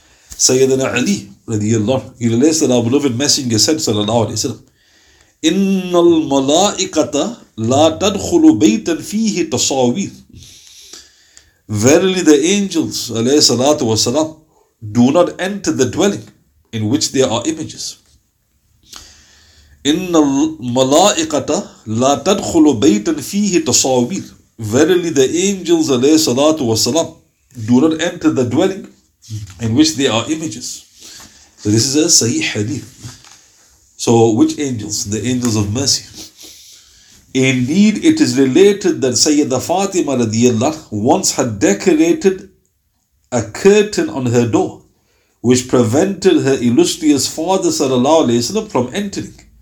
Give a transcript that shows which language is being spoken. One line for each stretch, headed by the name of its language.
English: Sayyidina Ali, radiyallahu, he relates that our beloved Messenger said, sallallahu alayhi wa sallam,
Arabic: إن الملائكة لا تدخل بيتا فيه تصاوير.
English: Verily the angels, alayhi salatu wa salam, do not enter the dwelling in which there are images.
Arabic: إن الملائكة لا تدخل بيتا فيه تصاوير.
English: Verily the angels, alayhi salatu wa salam, do not enter the dwelling in which there are images. So this is a sahih hadith. So which angels? The angels of mercy. Indeed, it is related that Sayyida Fatima radiyallahu once had decorated a curtain on her door, which prevented her illustrious father sallallahu alayhi wa sallam from entering.